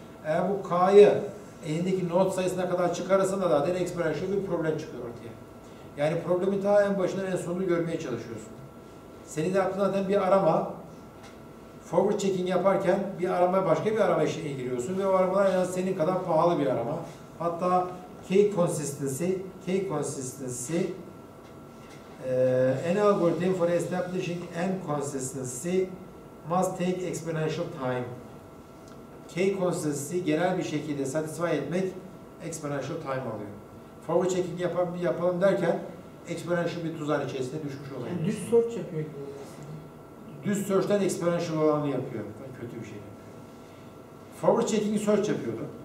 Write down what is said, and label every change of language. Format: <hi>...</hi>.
<tr>Eğer bu k'yı elindeki not sayısına kadar çıkarırsan da zaten exponential bir problem çıkıyor ortaya. Yani problemi ta en başından en sonunu görmeye çalışıyorsun. Seni de aklına zaten bir arama, forward checking yaparken bir arama, başka bir arama işine giriyorsun ve o aramalar en az senin kadar pahalı bir arama.</tr> <en>Hatta K consistency an algorithm for establishing M consistency must take exponential time.</en> <tr>K consistency genel bir şekilde satisfy etmek exponential time alıyor. Forward checking yapalım derken exponential bir tuzağın içerisinde düşmüş oluyor. Yani düz search yapıyor. Düz search'ten exponential olanı yapıyor. Kötü bir şey yapıyor. Forward checking search yapıyordu.</tr>